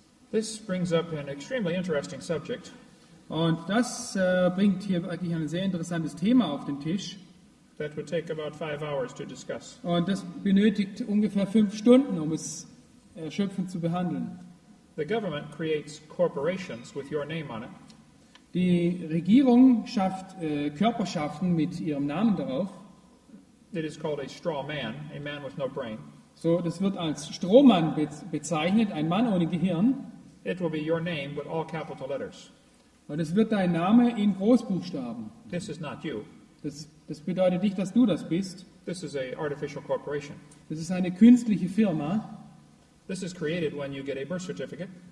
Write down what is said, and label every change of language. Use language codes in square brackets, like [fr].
[en] This brings up an extremely interesting subject. [de] Und das bringt hier wirklich ein sehr interessantes Thema auf den Tisch. [en] That would take about 5 hours to discuss. [de] Und das benötigt ungefähr 5 Stunden, um es erschöpfend zu behandeln. [en] The government creates corporations with your name on it. [de] Die Regierung schafft Körperschaften mit ihrem Namen darauf. [en] It is called a straw man, a man with no brain. [de] So, das wird als Strohmann bezeichnet, ein Mann ohne Gehirn. [en] It will be your name with all capital letters. [de] Und es wird dein Name in Großbuchstaben. [en] This is not you. [de] Das bedeutet nicht, dass du das bist. [en] This is a artificial corporation. [de] Das ist eine künstliche Firma. [en] This is created when you get a birth certificate.